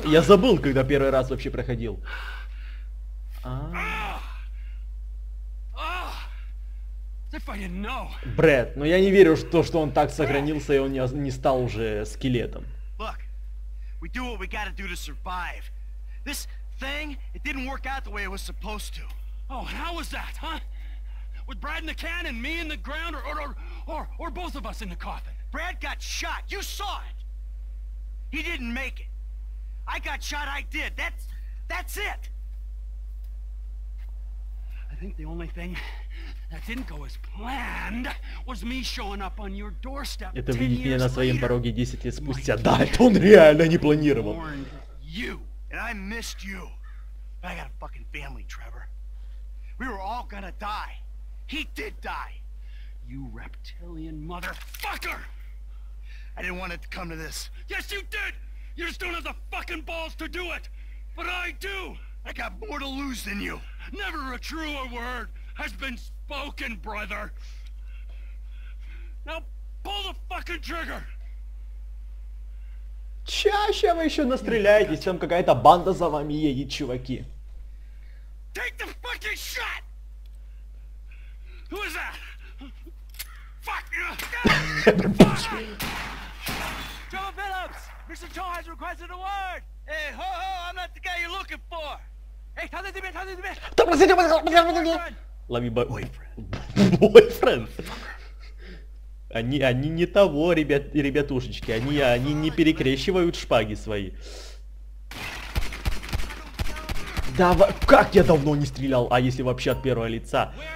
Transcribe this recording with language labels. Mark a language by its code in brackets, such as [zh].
[ru] Я забыл, когда первый раз вообще проходил. Брэд, но я не верю, что, что он так сохранился и он не стал уже скелетом. [en] Look, we do what we gotta do to survive. This thing, it didn't work out the way it was supposed to. Oh, and how was that, huh? With Brad in the can and me in the ground, or both of us in the coffin? Brad got shot. You saw it. He didn't make it. I got shot. I did. That's it. I think the only thing that didn't go as planned was me showing up on your doorstep. [ru] Это видеть меня на своем пороге 10 лет спустя. Да, это он реально не планировал. [en] You and I missed you. I got a fucking family, Trevor. We were all gonna die. He did die. You reptilian motherfucker! I didn't want it to come to this. Yes, you did. You just don't have the fucking balls to do it. But I do. I got more to lose than you. Never a truer word has been spoken, brother. Now pull the fucking trigger. [ru] Чаще вы еще настреляетесь, чем какая-то банда за вами едет, чуваки. [en] Take the fucking shot. Who is that? Fuck you! Joe Phillips, Mr. Cho has requested a word. Hey, ho, ho! I'm not the guy you're looking for. Hey, how did you meet? How did you meet? [ru] Да простите, пожалуйста. [en] Love you, boyfriend. Boyfriend. [ru] Они не того, ребятушечки. Они не перекрещивают шпаги свои. Да, как я давно не стрелял, а если вообще от первого лица?